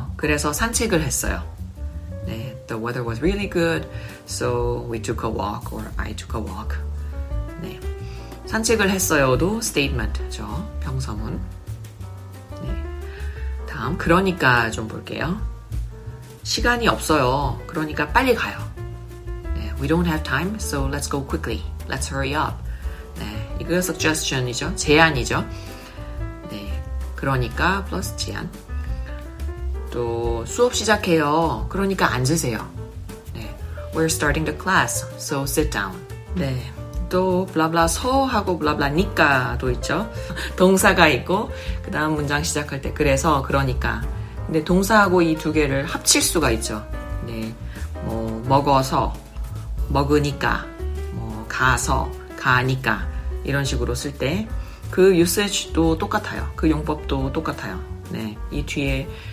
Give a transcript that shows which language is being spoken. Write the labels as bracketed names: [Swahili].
[Korean] 그래서 산책을 했어요. 네, [English] the weather was really good. So we took a walk or I took a walk. 네, [Korean] 산책을 했어요도 statement죠. 평서문. 네, 다음, 그러니까 좀 볼게요. 시간이 없어요. 그러니까 빨리 가요. [English] We don't have time, so let's go quickly. Let's hurry up. 네, [Korean] 이거 suggestion이죠. 제안이죠. 네, 그러니까 plus 제안. 또 수업 시작해요. 그러니까 앉으세요. 네, [English] we're starting the class, so sit down. [Korean] 네, 또 blah-blah 서하고 blah-blah니까도 있죠. 동사가 있고 그 다음 문장 시작할 때 그래서 그러니까. 근데 동사하고 이 두 개를 합칠 수가 있죠. 네, 뭐 먹어서 먹으니까, 뭐 가서, 가니까 이런 식으로 쓸 때 그 usage도 똑같아요. 그 용법도 똑같아요. 네, 이 뒤에